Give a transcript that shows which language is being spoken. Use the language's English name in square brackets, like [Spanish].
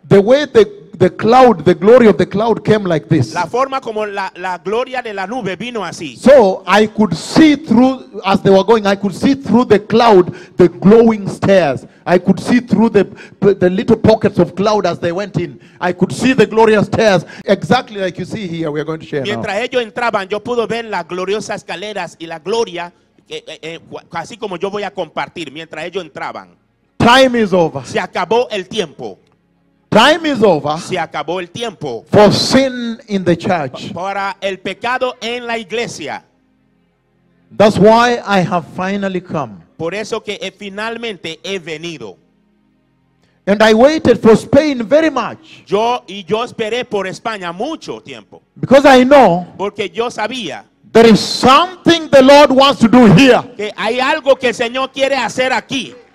[English] The way the cloud, the glory of the cloud came like this. [Spanish] La forma como la gloria de la nube vino así. [English] So I could see through, as they were going, I could see through the cloud, the glowing stairs. I could see through the little pockets of cloud as they went in. I could see the glorious stairs, exactly like you see here, we are going to share. [Spanish] Mientras [English] now. [Spanish] Ellos entraban, yo pude ver las gloriosas escaleras y la gloria, así como yo voy a compartir, mientras ellos entraban. [English] Time is over. [Spanish] Se acabó el tiempo. [English] Time is over. [Spanish] Se acabó el tiempo. [English] For sin in the church. [Spanish] Para el pecado en la iglesia. [English] That's why I have finally come. [Spanish] Por eso que finalmente he venido. [English] And I waited for Spain very much. [Spanish] Yo esperé por España mucho tiempo. [English] Because I know. [Spanish] Porque yo sabía. [English] There is something the Lord wants to do here. [Spanish] Que hay algo que el Señor quiere hacer aquí.